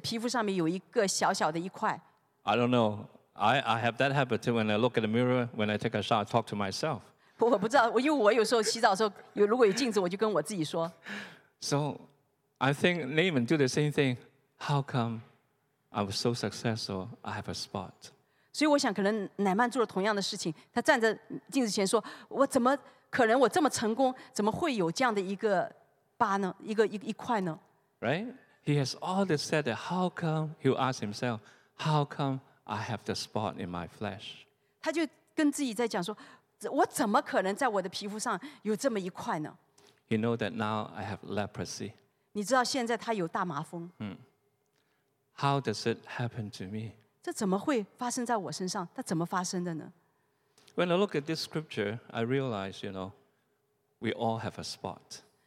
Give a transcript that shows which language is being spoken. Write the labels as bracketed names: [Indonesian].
[Chinese] 他就突然发现他身体这个皮肤上面有一个小小的一块。 [English] I don't know. I have that habit too. When I look at the mirror, when I take a shower, I talk to myself. [Chinese] 我不知道，因为我有时候洗澡的时候，如果有镜子，我就跟我自己说。 [English] So I think Naaman do the same thing. How come I was so successful? I have a spot. [Chinese] 所以我想，可能乃曼做了同样的事情。他站在镜子前说：“我怎么可能我这么成功？怎么会有这样的一个？” 一个一块呢? [English] Right? He has always said that how come, he'll ask himself, how come I have the spot in my flesh? [Chinese] 他就跟自己在讲说，我怎么可能在我的皮肤上有这么一块呢? [English] You know that now I have leprosy. [Chinese] 你知道现在他有大麻风。 [English] How does it happen to me? [Chinese] 这怎么会发生在我身上? 它怎么发生的呢? [English] When I look at this scripture, I realize, you know, we all have a spot.